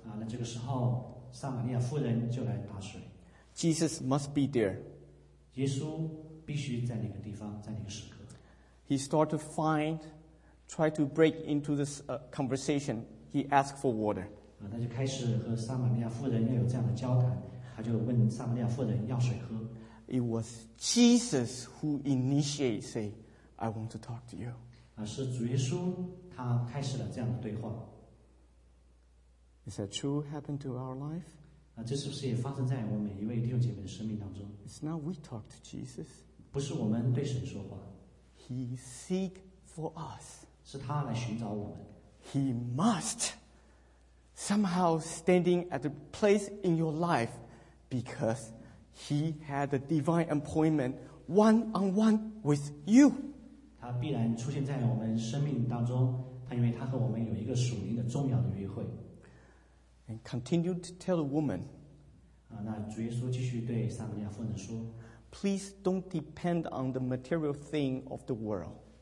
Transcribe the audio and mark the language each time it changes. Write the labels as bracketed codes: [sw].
[zh] 那这个时候，撒玛利亚妇人就来打水。 [en] Jesus must be there. [zh] 耶稣必须在那个地方，在那个时刻。 [en] He started to try to break into this conversation. He asked for water. [zh] 他就开始和撒玛利亚妇人要有这样的交谈，他就问撒玛利亚妇人要水喝。 [en] It was Jesus who initiated, say, I want to talk to you. [zh] 是主耶稣他开始了这样的对话。 [en] Is that true happened to our life? [zh] 这是不是也发生在我们每一位弟兄姐妹的生命当中？ [en] It's not we talk to Jesus. [zh] 不是我们对神说话。 [en] He seek for us. [zh] 是他来寻找我们。 [en] He must somehow standing at a place in your life because He had a divine appointment one-on-one with you. [zh] 他必然出现在我们生命当中，因为他和我们有一个属灵的重要的约会。 [en] And continued to tell the woman, [zh] 那主耶稣继续对撒玛利亚妇人说， [en] Please don't depend on the material thing of the world.